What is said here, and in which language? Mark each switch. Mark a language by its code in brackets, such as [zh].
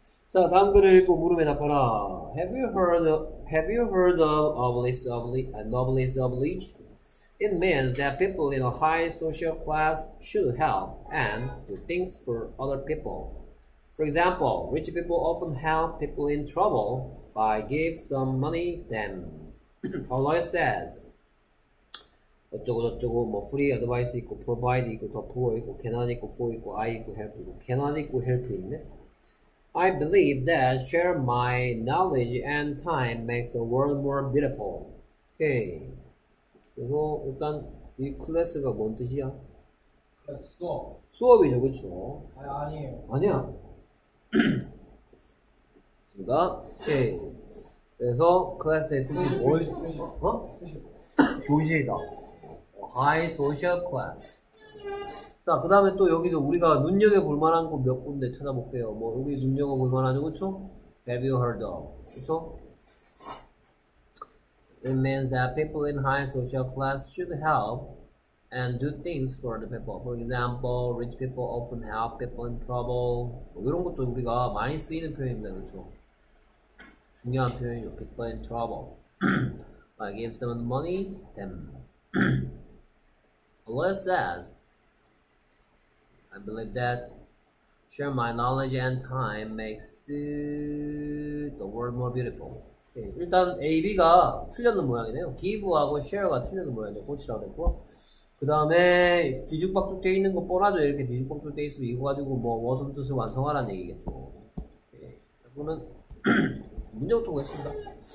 [ko] 자, 다음 글을 읽고 물음에 답하라. [en] Have you heard of noblesse oblige? It means that people in a high social class should help and do things for other people. For example, rich people often help people in trouble by give some money them. Aloy says, [ko] 어쩌고 저쩌고 뭐 [en] free advice [ko] 있고 provide 있고 더 poor 있고 cannot 있고 for 있고 I 있고 help 있고 cannot 있고 help 있네. [en] I believe that share my knowledge and time makes the world more beautiful. Okay. [ko] 그리고 일단 이 클래스가 뭔 뜻이야? 수업. 수업이죠, 그렇죠? 아니에요. 아니야. 됐습니다. [en] Okay. [ko] 그래서 클래스의 뜻이 뭐? 교실이다. [en] High social class. [ko] 자, 그 다음에 또 여기도 우리가 눈여겨볼 만한 곳 몇 군데 찾아볼게요. 뭐, 여기 눈여겨볼 만하죠, 그쵸? [en] Have you heard of? [ko] 그쵸? [en] It means that people in high social class should help and do things for the people. For example, rich people often help people in trouble. [ko] 뭐 이런 것도 우리가 많이 쓰이는 표현입니다, 그쵸? 중요한 표현이죠. [en] People in trouble. I give someone money, them. Allah says, I believe that share my knowledge and time makes the world more beautiful. Okay. [ko] 일단 A, B가 틀렸는 모양이네요. Give하고 share가 틀렸는 모양이네요. 고치라고 했고. 그 다음에 뒤죽박죽 되어 있는 거 뻔하죠. 이렇게 뒤죽박죽 되어 있으면 이거 가지고 뭐 무슨 뜻을 완성하라는 얘기겠죠. 오케이. 이거는 문제부터 보겠습니다.